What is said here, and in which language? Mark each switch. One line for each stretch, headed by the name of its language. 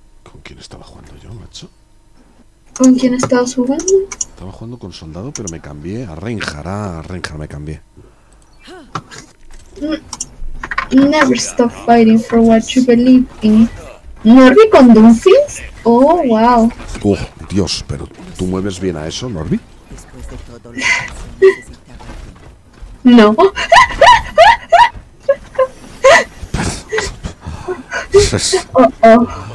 Spanish: ¿Con quién estaba jugando yo, macho? ¿Con quién estabas jugando? Estaba jugando con soldado, pero me cambié a Reinhard. Me cambié.
English: Never stop fighting for what you believe in.
Spanish: ¿Norby con Doomfist? Oh, wow. Oh, Dios, pero ¿tú mueves bien a eso, Norby? No. Oh, oh.